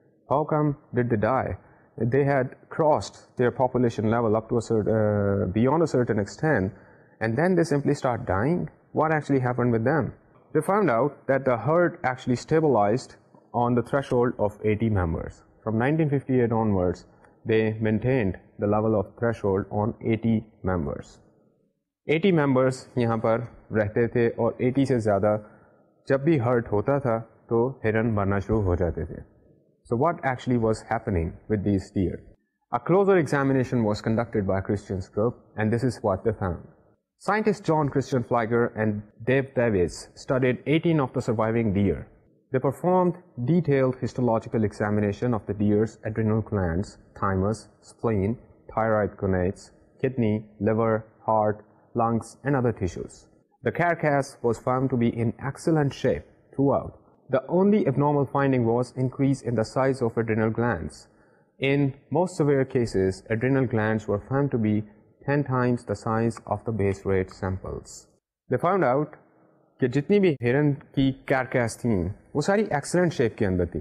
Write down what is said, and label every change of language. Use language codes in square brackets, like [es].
[en] How come did they die? They had crossed their population level up to a certain, beyond a certain extent and then they simply start dying? What actually happened with them? They found out that the herd actually stabilized on the threshold of 80 members. From 1958 onwards, they maintained the level of threshold on 80 members. [ur] 80 members یہاں پر رہتے تھے اور 80 سے زیادہ جب بھی hurt ہوتا تھا تو ہرن مرنا شروع ہو جاتے تھے. [en] So what actually was happening with these deer? A closer examination was conducted by Christian's group and this is what they found. Scientists John Christian Flieger and Dave Davis studied 18 of the surviving deer. They performed detailed histological examination of the deer's adrenal glands, thymus, spleen, thyroid gonads, kidney, liver, heart, lungs, and other tissues. The carcass was found to be in excellent shape throughout. The only abnormal finding was increase in the size of adrenal glands. In most severe cases, adrenal glands were found to be 10 times the size of the base rate samples. They found out [ur] کہ جتنی بھی ہرن کی کیرکیس تھیں وہ ساری excellent shape کے اندر تھیں.